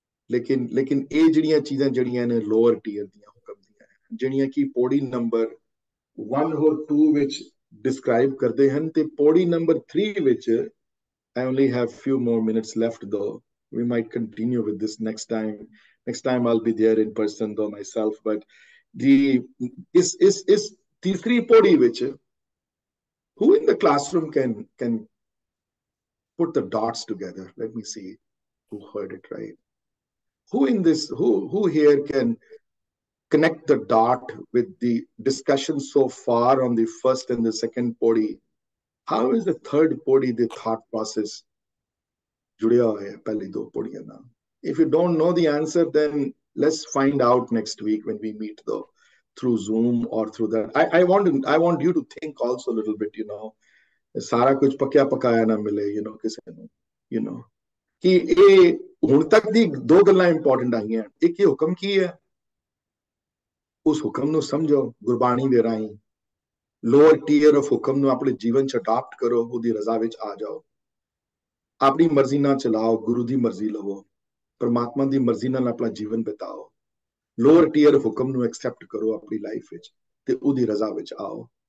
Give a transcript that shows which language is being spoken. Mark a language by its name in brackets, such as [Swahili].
[Punjabi] ਲੇਕਿਨ ਲੇਕਿਨ ਇਹ ਜਿਹੜੀਆਂ ਚੀਜ਼ਾਂ ਜਿਹੜੀਆਂ ਨੇ ਲੋਅਰ ਟੀਅਰ ਦੀਆਂ ਹੁਕਮ ਦੀਆਂ, ਜਿਹੜੀਆਂ ਕਿ ਪੌੜੀ ਨੰਬਰ 1 or 2 ਵਿੱਚ ਡਿਸਕ੍ਰਾਈਬ ਕਰਦੇ ਹਨ, ਤੇ ਪੌੜੀ ਨੰਬਰ 3 ਵਿੱਚ [English] I only have few more minutes left though, we might continue with this next time, I'll be there in person though myself, but [Punjabi] ਇਸ ਤੀਸਰੀ ਪੌੜੀ ਵਿੱਚ [English] Who in the classroom can put the dots together, let me see who heard it right. Who in this, who here can connect the dot with the discussion so far on the first and the second podi? How is the third podi, the thought process, [Punjabi] judya hai pehle do podiyan na? [English] If you don't know the answer, then let's find out next week when we meet, though, through Zoom or through that. I want you to think also a little bit, you know. [Punjabi] Sara kuch pakya pakaya na mile, you know, kise nu, you know. Ki eh, ਹੁਣ ਤੱਕ ਦੀ ਦੋ ਗੱਲਾਂ important ਆਈਆਂ. ਇੱਕ ਇਹ ਹੁਕਮ ਕੀ ਹੈ, ਉਸ ਹੁਕਮ ਨੂੰ ਸਮਝੋ ਗੁਰਬਾਣੀ ਦੇ ਰਾਹੀਂ, ਲੋਅਰ ਟੀਅਰ ਆਫ ਹੁਕਮ ਨੂੰ ਆਪਣੇ ਜੀਵਨ ਚ ਅਡਾਪਟ ਕਰੋ, ਉਹਦੀ ਰਜ਼ਾ ਵਿੱਚ ਆ ਜਾਓ, ਆਪਣੀ ਮਰਜ਼ੀ ਨਾਲ ਚਲਾਓ, ਗੁਰੂ ਦੀ ਮਰਜ਼ੀ ਲਵੋ, ਪਰਮਾਤਮਾ ਦੀ ਮਰਜ਼ੀ ਨਾਲ ਆਪਣਾ ਜੀਵਨ ਬਿਤਾਓ, ਲੋਅਰ ਟੀਅਰ ਆਫ ਹੁਕਮ ਨੂੰ ਐਕਸੈਪਟ ਕਰੋ ਆਪਣੀ ਲਾਈਫ ਵਿੱਚ, ਤੇ ਉਹਦੀ ਰਜ਼ਾ ਵਿੱਚ ਆਓ.